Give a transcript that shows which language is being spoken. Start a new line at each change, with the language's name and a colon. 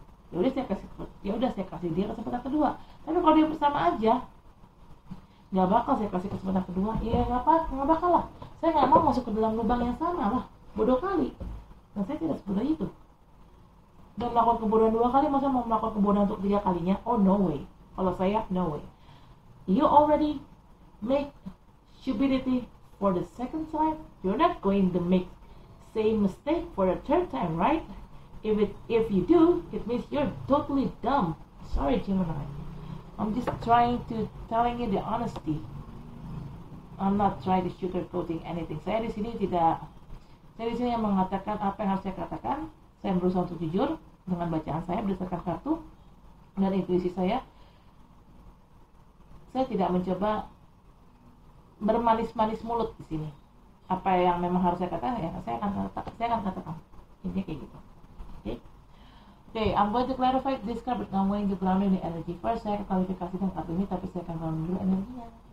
Indonesian: Ya udah saya kasih dia kesempatan kedua. Tapi kalau dia bersama aja, nggak bakal saya kasih kesempatan kedua. Iya, nggak bakal lah. Saya nggak mau masuk ke dalam lubang yang sama lah. Bodoh kali. Dan saya tidak sebodoh itu. Dan melakukan kebodohan dua kali, masa mau melakukan kebodohan untuk tiga kalinya?
English: Oh, no way.
Indonesian: Kalau saya,
English: no way. You already make stupidity for the second time. You're not going to make same mistake for the third time, right? If you do, it means you're totally dumb. Sorry, Gemini. I'm just trying to telling you the honesty. I'm not trying to sugarcoating anything.
Indonesian: Saya di sini tidak. Saya di sini yang mengatakan apa yang harus saya katakan. Saya berusaha untuk jujur dengan bacaan saya berdasarkan kartu dan intuisi saya. Saya tidak mencoba bermanis-manis mulut di sini. Apa yang memang harus saya katakan, ya saya akan katakan. Intinya kayak gitu.
English: Okay, I'm going to clarify this card, but I'm going to ground in the energy first.
Indonesian: Saya akan klarifikasi dengan kartu ini, tapi saya akan ground dulu energinya.